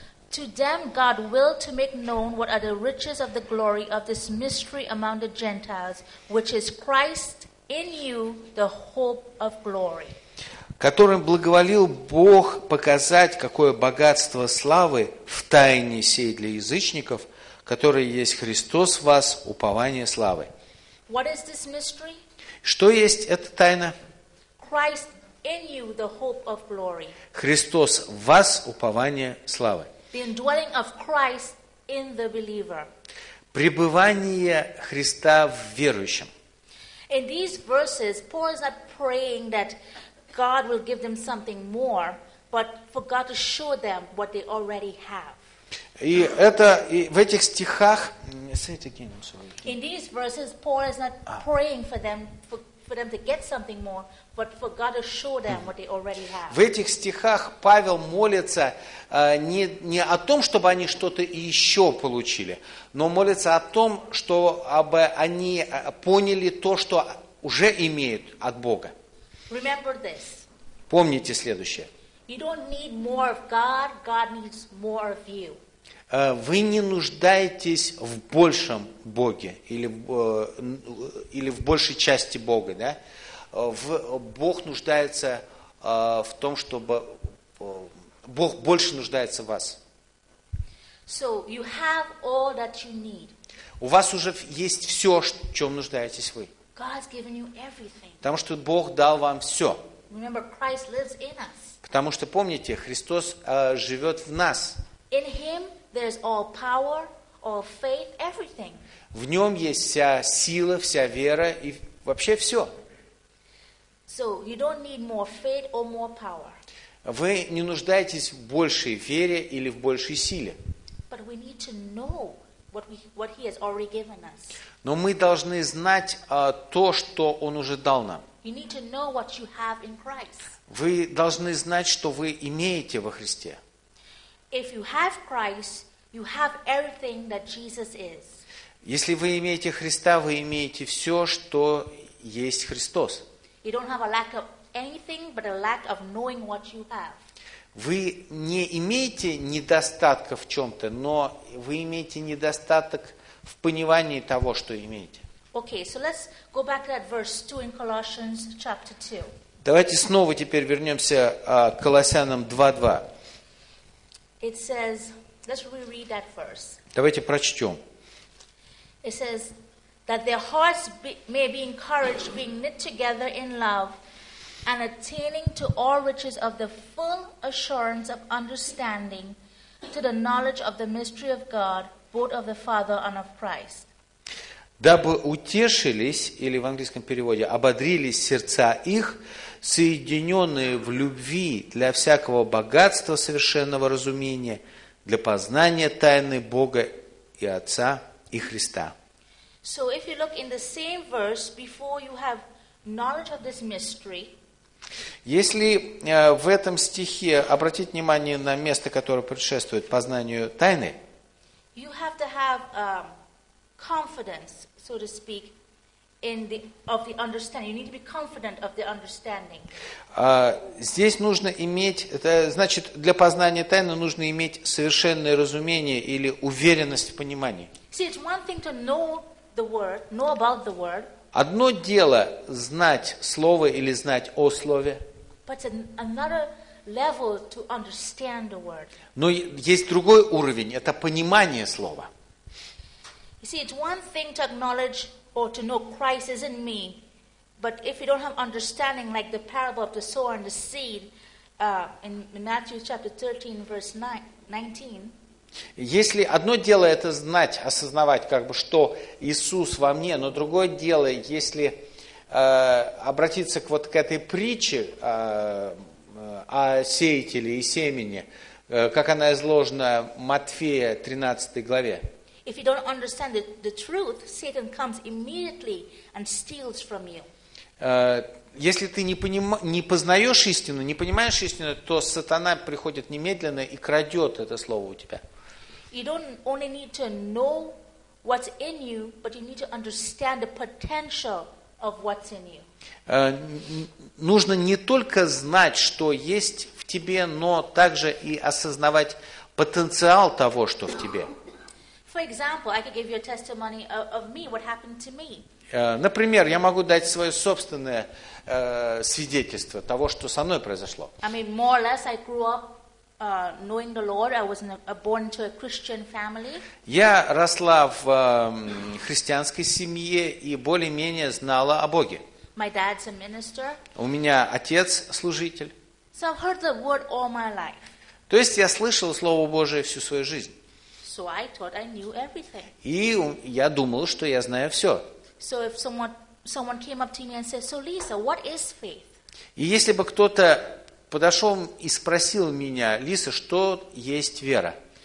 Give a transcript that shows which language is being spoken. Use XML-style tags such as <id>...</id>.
<en>To them God willed to make known what are the riches of the glory of this mystery among the Gentiles, which is Christ in you, the hope of glory.</en> <ru>Которым благоволил Бог показать, какое богатство славы в тайне сей для язычников, который есть Христос в вас, упование славы.</ru> <en>What is this mystery?</en> <ru>Что есть эта тайна?</ru> <en>Christ in you, the hope of glory.</en> <ru>Христос в вас, упование славы.</ru> <en>The indwelling of Christ in the believer.</en> <ru>Пребывание Христа в верующем.</ru> <en>In these verses, Paul is not praying that God will give them something more, but for God to show them what they already have.</en> <ru>И это и в этих стихах.</ru> <en>Say it again, I'm sorry. In these verses, Paul is not praying for them for them to get something more, but for God to show them what they already have.</en> <ru>В этих стихах Павел молится не о том, чтобы они что-то еще получили, но молится о том, чтобы они поняли то, что уже имеют от Бога.</ru> <en>Remember this.</en> <ru>Помните следующее.</ru> <en>You don't need more of God. God needs more of you.</en> <ru>Вы не нуждаетесь в большем Боге или в большей части Бога, да? Бог нуждается в том, чтобы Бог больше нуждается в вас.</ru> <en>So you have all that you need.</en> <ru>У вас уже есть все, в чем нуждаетесь вы.</ru> <en>God's given you everything.</en> <ru>Потому что Бог дал вам все.</ru> <en>Remember, Christ lives in us.</en> <ru>Потому что помните, Христос живет в нас.</ru> <en>In him there's all power, all faith, everything.</en> <ru>В нем есть вся сила, вся вера и вообще все.</ru> <en>So you don't need more faith or more power.</en> <ru>Вы не нуждаетесь в большей вере или в большей силе.</ru> <en>But we need to know what he has already given us.</en> <ru>Но мы должны знать то, что он уже дал нам.</ru> <en>You need to know what you have in Christ.</en> <ru>Вы должны знать, что вы имеете во Христе.</ru> <en>If you have Christ, you have everything that Jesus is.</en> <ru>Если вы имеете Христа, вы имеете все, что есть Христос.</ru> <en>You don't have a lack of anything, but a lack of knowing what you have.</en> <ru>Вы не имеете недостатка в чем-то, но вы имеете недостаток в понимании того, что имеете.</ru> <en>Okay, so let's go back to that verse 2 in Colossians chapter 2.</en> <ru>Давайте снова теперь вернемся к Колоссянам 2:2.</ru> <en>It says, let's reread that verse.</en> <ru>Давайте прочтем.</ru> <en>It says that their hearts may be encouraged, being knit together in love, and attaining to all riches of the full assurance of understanding, to the knowledge of the mystery of God, both of the Father and of Christ.</en> <ru>Дабы утешились, или в английском переводе, ободрились сердца их, соединенные в любви для всякого богатства совершенного разумения, для познания тайны Бога и Отца и Христа.</ru> <en>So if you look in the same verse before you have knowledge of this mystery.</en> <ru>Если в этом стихе обратить внимание на место, которое предшествует познанию тайны,</ru> <en>you have to have confidence, so to speak, of the understanding. You need to be confident of the understanding.</en> <ru>Здесь нужно иметь, это значит, для познания тайны нужно иметь совершенное разумение или уверенность в понимании.</ru> <en>See, it's one thing to know the word, know about the word.</en> <ru>Одно дело знать слово или знать о слове.</ru> <en>But another level to understand the word.</en> <ru>Но есть другой уровень, это понимание слова.</ru> <en>You see, it's one thing to acknowledge or to know Christ is in me, but if you don't have understanding, like the parable of the sower and the seed, in Matthew chapter 13, verse 19.</en> <ru>Если одно дело это знать, осознавать, как бы, что Иисус во мне, но другое дело, если обратиться к вот к этой притче о сеятеле и семени, как она изложена в Матфея 13 главе.</ru> <en>If you don't understand the truth, Satan comes immediately and steals from you.</en> <ru>Если ты не познаешь истину, не понимаешь истину, то сатана приходит немедленно и крадет это слово у тебя.</ru> <en>You don't only need to know what's in you, but you need to understand the potential of what's in you.</en> <ru>Нужно не только знать, что есть в тебе, но также и осознавать потенциал того, что в тебе.</ru> <en>For example, I could give you a testimony of me, what happened to me.</en> <ru>Например, я могу дать свое собственное свидетельство того, что со мной произошло.</ru> <en>I mean, more or less, I grew up knowing the Lord. I was born into a Christian family.</en> <ru>Я росла в христианской семье и более-менее знала о Боге.</ru> <en>My dad's a minister.</en> <ru>У меня отец служитель.</ru> <en>So I've heard the word all my life.</en> <ru>То есть я слышал Слово Божие всю свою жизнь.</ru> <en>So I thought I knew everything.</en> <ru>И я думал, что я знаю все.</ru> <en>So if someone came up to me and said, "So Lisa, what is faith?"</en> <ru>И если бы кто-то подошел и спросил меня, Лиса, что есть вера?</ru>